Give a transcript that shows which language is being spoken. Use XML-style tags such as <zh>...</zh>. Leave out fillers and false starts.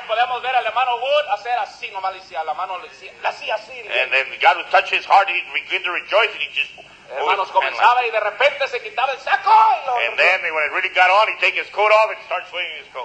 <es>Podemos ver al hermano Wood hacer así, nomás decía, la mano le hacía así.</es> <en>And then God would touch his heart, he'd begin to rejoice, and he just.</en> <es>Hermanos, comenzaba y de repente se quitaba el saco.</es> <en>And then when it really got on, he'd take his coat off and start swinging his coat.</en>